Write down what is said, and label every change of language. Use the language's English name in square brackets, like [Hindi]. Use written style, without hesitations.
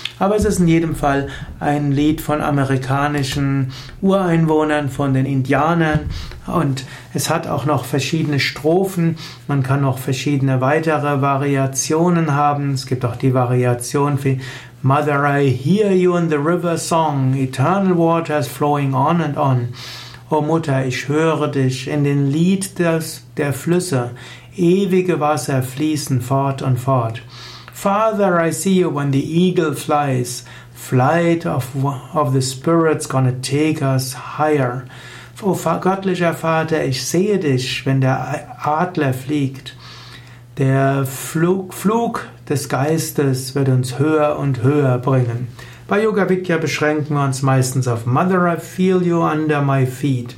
[German] aber es ist in jedem Fall ein Lied von amerikanischen Ureinwohnern, von den Indianern und es hat auch noch verschiedene Strophen, man kann noch verschiedene weitere Variationen haben, es gibt auch die Variation für [English] Mother, I hear you in the river song, eternal waters flowing on and on. [German] O Mutter, ich höre dich in den Lied der Flüsse, ewige Wasser fließen fort und fort. [English] Father, I see you when the eagle flies, flight of the spirit's gonna take us higher. [German] O göttlicher Vater, ich sehe dich, wenn der Adler fliegt. Der Flug des Geistes wird uns höher und höher bringen. Bei Yoga Vidya beschränken wir uns meistens auf [English] Mother, I feel you under my feet.